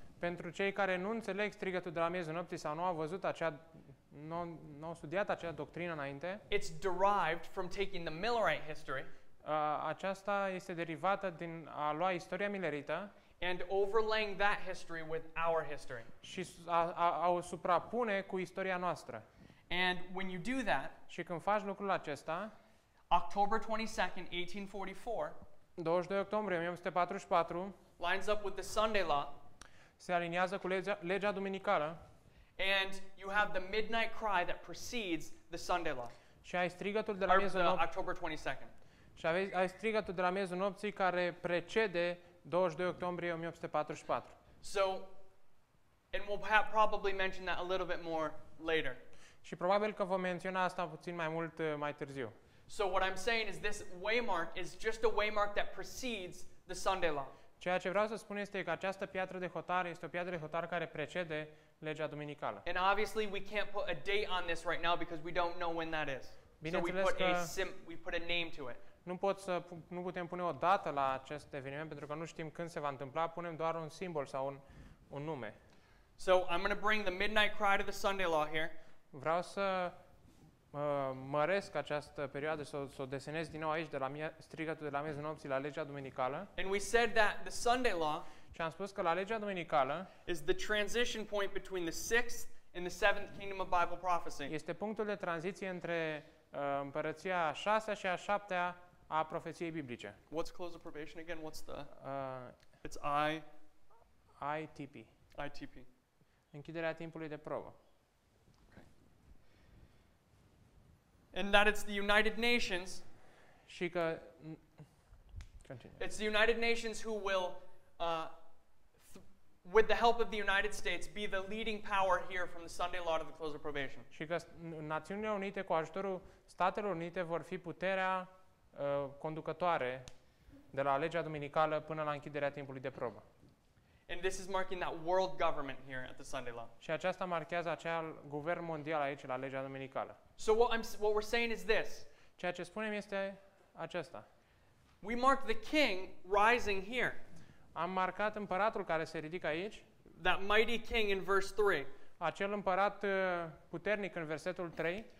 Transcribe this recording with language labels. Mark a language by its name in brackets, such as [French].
[Romanian] pentru cei care nu înțeleg strigătul de la miezul nopții sau nu au văzut acea, nu au studiat acea doctrină înainte. [English] It's derived from taking the Millerite history. [Romanian] Aceasta este derivată din a lua istoria millerită. [English] And overlaying that history with our history. [Romanian] Și a o suprapune cu istoria noastră. [English] And when you do that, [Romanian] și când faci lucrul acesta, [English] October 22nd, 1844, [Romanian] 22 octombrie 1844, [English] lines up with the Sunday law. [Romanian] Se aliniază cu legea duminicală. [English] And you have the midnight cry that precedes the Sunday law. [Romanian] Și ai strigătul de la miezul nopții. [English] October 22nd. [Romanian] Și ai strigătul de la miezul nopții care precede 22 octombrie 1844. [English] So, and we'll have probably mention that a little bit more later. [Romanian] Și probabil că vom menționa asta puțin mai mult mai târziu. [English] So what I'm saying is this waymark is just a waymark that precedes the Sunday law. [Romanian] Ceea ce vreau să spun este că această piatră de hotar este o piatră de hotar care precede legea duminicală. [English] And obviously we can't put a date on this right now because we don't know when that is. So we put a name to it. [Romanian] Nu putem pune o dată la acest eveniment pentru că nu știm când se va întâmpla, punem doar un simbol sau un nume. [English] So I'm going to bring the midnight cry to the Sunday law here. [Romanian] Vreau să măresc această perioadă, s-o desenez din nou aici de la strigătul de la miezul nopții la legea duminicală. [English] And we said that the Sunday law, [Romanian] și am spus că la legea duminicală, [English] is the transition point between the sixth and the seventh kingdom of Bible prophecy. [Romanian] Este punctul de tranziție între împărăția a șasea și a șaptea a profeției biblice. [English] What's close of probation again? What's the it's ITP. ITP. [Romanian] Închiderea timpului de probă. [English] And that it's the United Nations. [Romanian] Și că continue. [English] It's the United Nations who will with the help of the United States be the leading power here from the Sunday law to the close of probation. [Romanian] Și că Națiunile Unite cu ajutorul Statelor Unite vor fi puterea conducătoare de la legea duminicală până la închiderea timpului de probă. [English] And this is marking that world government here at the Sunday Law. [Romanian] Și aceasta marchează acel guvern mondial aici la legea duminicală. [English] So what we're saying is this. [Romanian] Ceea ce spunem este acesta. [English] We mark the king rising here. [Romanian] Am marcat împăratul care se ridică aici. [English] That mighty king in verse 3. [Romanian] Acel împărat puternic în versetul 3.